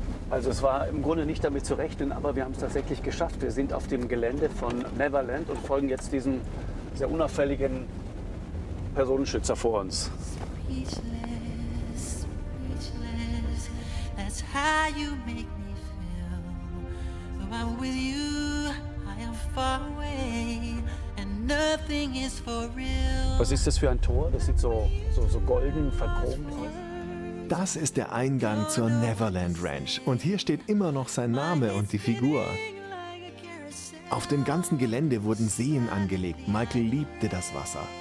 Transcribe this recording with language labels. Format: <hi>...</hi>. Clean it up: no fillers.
<de>Also es war im Grunde nicht damit zu rechnen, aber wir haben es tatsächlich geschafft. Wir sind auf dem Gelände von Neverland und folgen jetzt diesem sehr unauffälligen Personenschützer vor uns.</de> <en>Speechless, speechless, that's how you make me feel. Though I'm with you, I am far away and nothing is for real.</en> <de>Was ist das für ein Tor? Das sieht so golden, verchromt aus. Das ist der Eingang zur Neverland Ranch und hier steht immer noch sein Name und die Figur. Auf dem ganzen Gelände wurden Seen angelegt. Michael liebte das Wasser.</de>